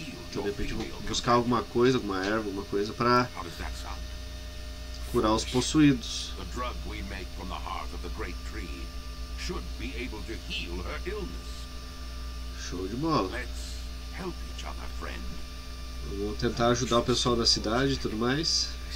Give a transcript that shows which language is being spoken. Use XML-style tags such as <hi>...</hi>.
<pt>Então, de repente, vou buscar alguma coisa, alguma erva, alguma coisa para curar os possuídos.</pt> <en>The drug we make from the heart of the great tree should be able to heal her illness.</en> <pt>Show de bola.</pt> <en>Let's help each other, friend.</en> <pt>Vou tentar ajudar o pessoal da cidade e tudo mais.</pt>